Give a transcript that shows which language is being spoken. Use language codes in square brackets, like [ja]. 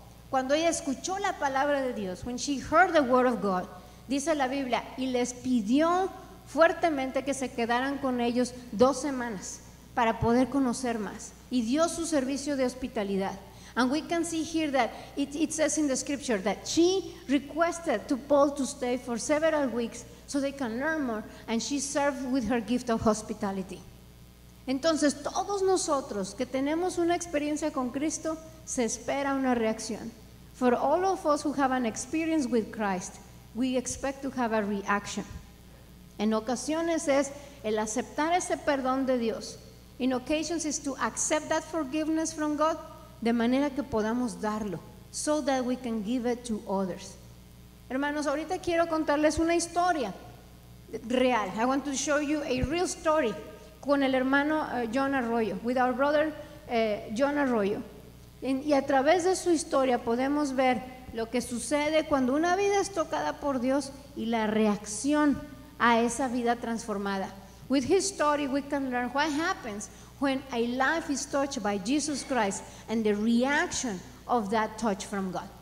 [es] Cuando ella escuchó la palabra de Dios, [en] when she heard the word of God, [es] dice la Biblia, y les pidió fuertemente que se quedaran con ellos 2 semanas para poder conocer más, y dio su servicio de hospitalidad. [en] And we can see here that it says in the scripture that she requested to Paul to stay for several weeks so they can learn more, and she served with her gift of hospitality. [es] Entonces todos nosotros que tenemos una experiencia con Cristo, se espera una reacción. [en] For all of us who have an experience with Christ, we expect to have a reaction. [es] En ocasiones es el aceptar ese perdón de Dios. [en] In occasions is to accept that forgiveness from God [es] de manera que podamos darlo, [en] so that we can give it to others. [es] Hermanos, ahorita quiero contarles una historia real. [en] I want to show you a real story [es] con el hermano [en] John Arroyo, with our brother John Arroyo. [es] Y a través de su historia podemos ver lo que sucede cuando una vida es tocada por Dios y la reacción a esa vida transformada. [en] With his story, we can learn what happens when a life is touched by Jesus Christ and the reaction of that touch from God.